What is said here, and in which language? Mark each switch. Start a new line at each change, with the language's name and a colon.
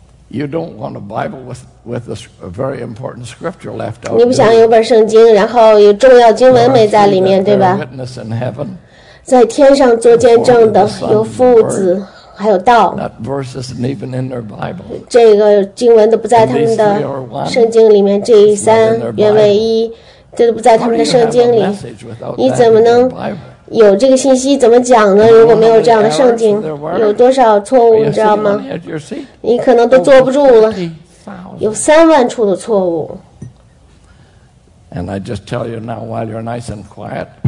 English: You don't want a Bible with a very important scripture left out.
Chinese: 你不想有本圣经，然后有重要经文没在里面，对吧？在天上做见证的有父子，还有道。
English: That verse isn't even in their Bible.
Chinese: 这个经文都不在他们的圣经里面，这一三原为一，这都不在他们的圣经里。你怎么能有这个信息怎么讲呢？如果没有这样的圣经，有多少错误你知道吗？你可能都坐不住了，有三万处的错误。
English: And I just tell you now, while you're nice and quiet,